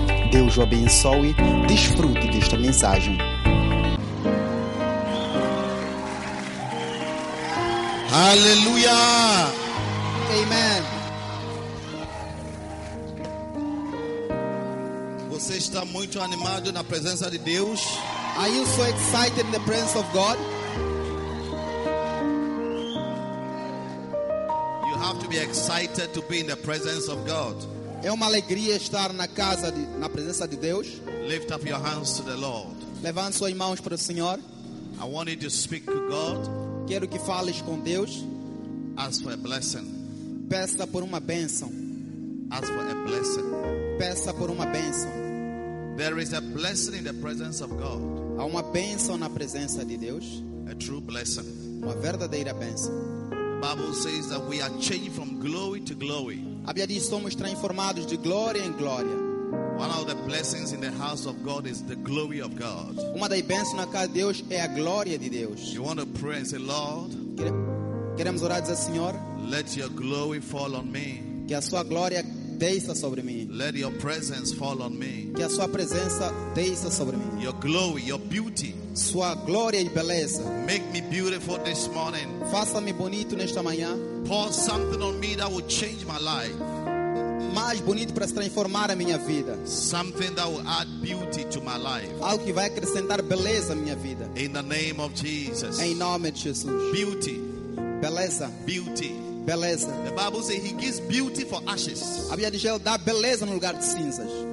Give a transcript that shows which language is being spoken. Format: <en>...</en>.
<pt>Deus o abençoe. Desfrute desta mensagem. Aleluia! Amen. Você está muito animado na presença de Deus?</pt> <en>Are you so excited in the presence of God? You have to be excited to be in the presence of God.</en> <pt>É uma alegria estar na casa de, na presença de Deus.</pt> <en>Lift up your hands to the Lord.</en> <pt>Levante suas mãos para o Senhor.</pt> <en>I want you to speak to God.</en> <pt>Quero que fales com Deus.</pt> <en>Ask for a blessing.</en> <pt>Peça por uma bênção.</pt> <en>Ask for a blessing.</en> <pt>Peça por uma bênção.</pt> <en>There is a blessing in the presence of God.</en> <pt>Há uma bênção na presença de Deus.</pt> <en>A true blessing.</en> <pt>Uma verdadeira bênção.</pt> <en>The Bible says that we are changed from glory to glory.</en> <pt>A Bíblia diz que somos transformados de glória em glória.</pt> <en>One of the blessings in the house of God is the glory of God.</en> <pt>Uma das bênçãos na casa de Deus é a glória de Deus.</pt> <en>You want to pray and say, Lord.</en> <pt>Queremos orar e dizer, Senhor.</pt> <en>Let your glory fall on me.</en> <pt>Que a sua glória desça sobre mim.</pt> <en>Let your presence fall on me.</en> <pt>Que a sua presença desça sobre mim.</pt> <en>Your glory, your beauty.</en> <pt>Sua glória e beleza.</pt> <en>Make me beautiful this morning.</en> <pt>Faça-me bonito nesta manhã.</pt> <en>Pour something on me that will change my life.</en> <pt>Mais bonito para se transformar a minha vida.</pt> <en>Something that will add beauty to my life.</en> <pt>Algo que vai acrescentar beleza à minha vida.</pt> <en>In the name of Jesus.</en> <pt>Em nome de Jesus.</pt> <en>Beauty.</en> <pt>Beleza.</pt> <en>Beauty.</en> <pt>Beleza.</pt> <en>The Bible says he gives beauty for ashes.</en> <pt>A Bíblia diz que ele dá beleza no lugar de cinzas.</pt>